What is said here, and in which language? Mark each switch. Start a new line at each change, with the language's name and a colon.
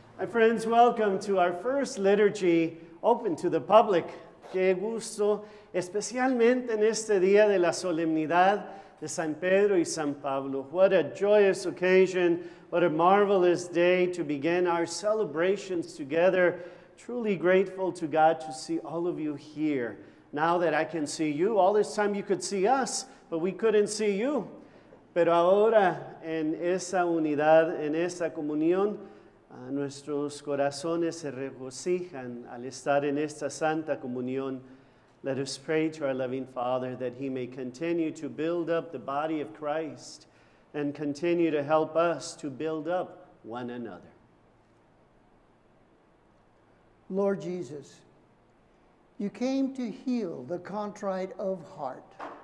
English: Friends, welcome to our first liturgy open to the public.
Spanish: Qué gusto, especialmente en este día de la solemnidad de San Pedro y San Pablo.
English: What a joyous occasion, what a marvelous day to begin our celebrations together. Truly grateful to God to see all of you here. Now that I can see you, all this time you could see us, but we couldn't see you.
Spanish: Pero ahora, en esa unidad, en esa comunión, nuestros corazones se regocijan al estar en esta santa comunión.
English: Let us pray to our loving Father that he may continue to build up the body of Christ and continue to help us to build up one another. Lord Jesus, you came to heal the contrite of heart.